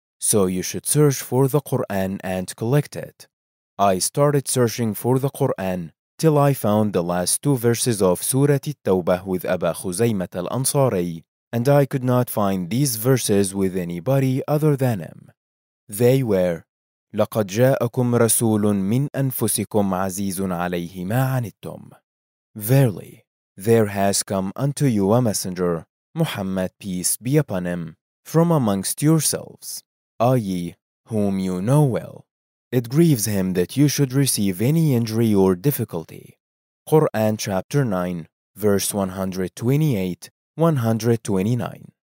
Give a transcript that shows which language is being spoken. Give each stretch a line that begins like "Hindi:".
English: So you should search for the Quran and collect it.' I started searching for the Quran till I found the last two verses of Surah At-Tawbah with Abu Khuzaymah al-Ansari, and I could not find these verses with anybody other than him. They were,
Arabic: 'لقد جاءكم رسول من أنفسكم عزيز عليه ما عنتم.'
English: Verily, there has come unto you a messenger, Muhammad, peace be upon him, from amongst yourselves, i.e., whom you know well. It grieves him that you should receive any injury or difficulty." Quran chapter 9, verse 128-129.